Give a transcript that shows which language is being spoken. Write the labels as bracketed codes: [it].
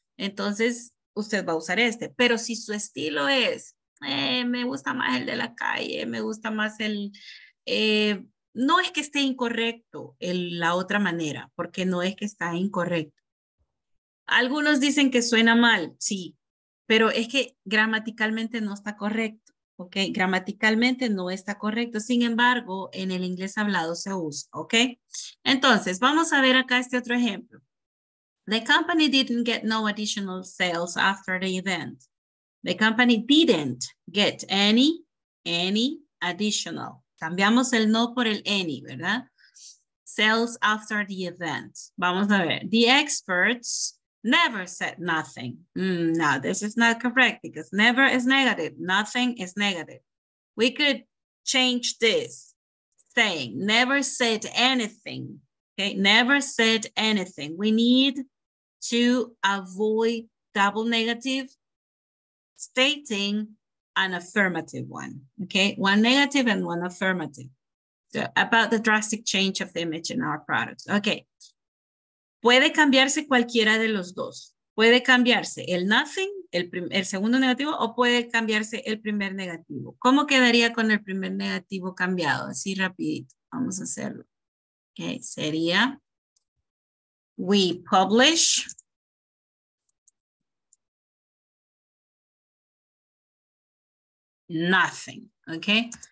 [es] Entonces usted va a usar este. Pero si su estilo es me gusta más el de la calle, me gusta más el, no es que esté incorrecto el, la otra manera, porque no es que está incorrecto. Algunos dicen que suena mal, sí, pero es que gramaticalmente no está correcto, ¿ok? Gramaticalmente no está correcto, sin embargo, en el inglés hablado se usa, ¿ok? Entonces, vamos a ver acá este otro ejemplo. [en] The company didn't get no additional sales after the event. The company didn't get any additional. [es] Cambiamos el no por el any, ¿verdad? [en] Sales after the event. [es] Vamos a ver. [en] The experts never said nothing. No, this is not correct because never is negative. Nothing is negative. We could change this saying. Never said anything. Okay, never said anything. We need to avoid double negative, stating an affirmative one, okay? One negative and one affirmative. So about the drastic change of the image in our products. [es] Okay, puede cambiarse cualquiera de los dos. Puede cambiarse el nothing, el segundo negativo, o puede cambiarse el primer negativo. ¿Cómo quedaría con el primer negativo cambiado? Así rapidito, vamos a hacerlo. [en] Okay, sería, we publish, nothing, okay?